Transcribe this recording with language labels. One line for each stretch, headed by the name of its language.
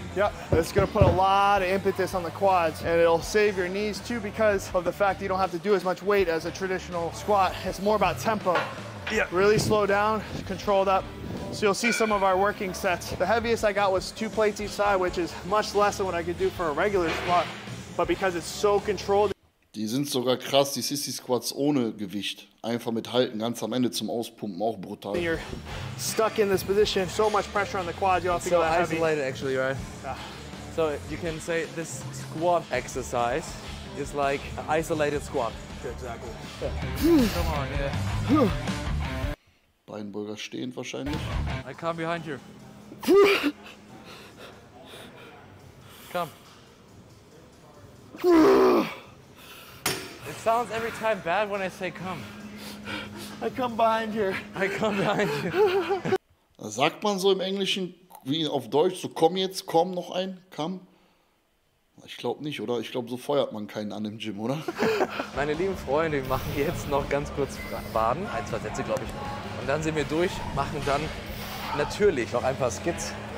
English: Yep, it's gonna put a lot of impetus on the quads, and it'll save your knees too because of the fact that you don't have to do as much weight as a traditional squat. It's more about tempo. Yeah. Really slow down, controlled up. So you'll see some of our working sets. The heaviest I got was 2 plates each side, which is much less than what I could do for a regular squat. But because it's so controlled.
German: Die sind sogar krass, die Sissy Squats ohne Gewicht. Einfach mit Halten ganz am Ende zum Auspumpen, auch brutal.
English: You're stuck in this position, so much pressure on the quads, you'll have to go heavy. Isolated actually, right? So you can say this squat exercise is like an isolated squat. Exactly. Yeah. Come on, yeah.
German: Beinbeuger stehend wahrscheinlich.
English: I come behind you. Come. It sounds every time bad when I say come. I come behind you. I come behind you.
German: Sagt man so im Englischen, wie auf Deutsch, so komm jetzt, komm noch ein, come? Ich glaube nicht, oder? Ich glaube, so feuert man keinen an im Gym, oder? Meine lieben Freunde, wir machen jetzt noch ganz kurz Baden. 1, 2 Sätze, glaube ich. Und dann sind wir durch, machen dann natürlich noch ein paar Skits.